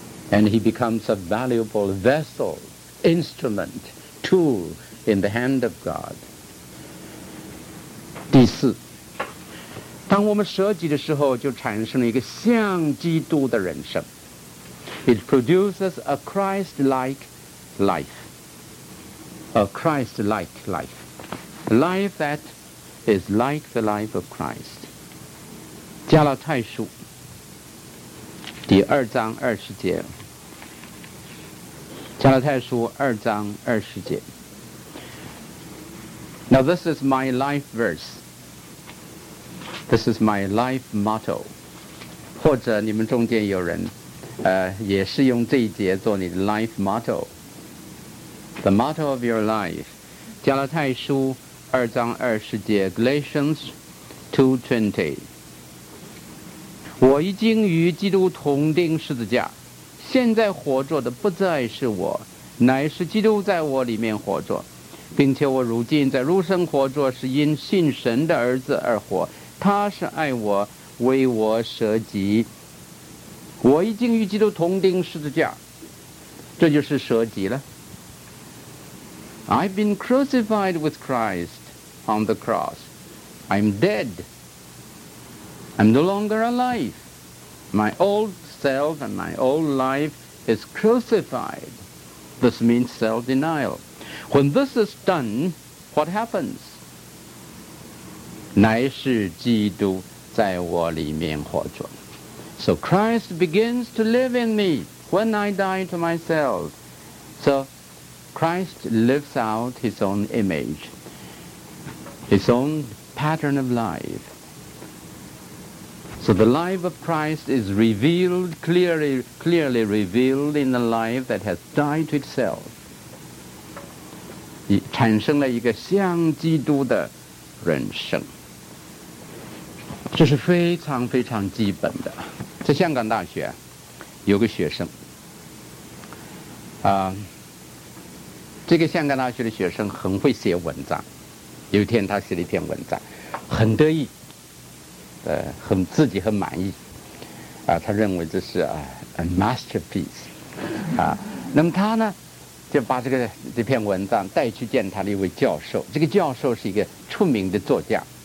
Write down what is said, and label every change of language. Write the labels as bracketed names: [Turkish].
[English] And he becomes a valuable vessel, instrument, tool in the hand of God. [Chinese] 第四，当我们舍己的时候，就产生了一个像基督的人生。 [English] It produces a Christ-like life. A Christ-like life. A life that is like the life of Christ. [Chinese] 加拉太书第二章二十节，加拉太书二章二十节。 [English] Now this is my life verse. This is my life motto. [Chinese] 或者你们中间有人，也是用这一节做你的 life motto. [English] The motto of your life. 加拉太书二章二十节 ，Galatians 2:20. [Chinese] 我已经与基督同钉十字架，现在活着的不再是我。乃是基督在我里面活着，并且我如今在肉身活着，是因信神的儿子而活，他是爱我，为我舍己。我已经与基督同钉十字架，这就是舍己了。 [English] I've been crucified with Christ on the cross. I'm dead. I'm no longer alive. My old self and my old life is crucifiedThis means self-denial. When this is done, what happens? [Chinese] 乃是基督在我里面活着。 [English] So Christ begins to live in me when I die to myself. So Christ lives out his own image, his own pattern of life. So the life of Christ is revealed, clearly revealed in the life that has died to itself. [Chinese] 产生了一个像基督的人生。这是非常非常基本的。在香港大学有个学生，这个香港大学的学生很会写文章，有一天他写了一篇文章，很得意，很自己很满意，他认为这是a masterpiece， 那么他呢，就把这篇文章带去见他的一位教授，这个教授是一个出名的作家。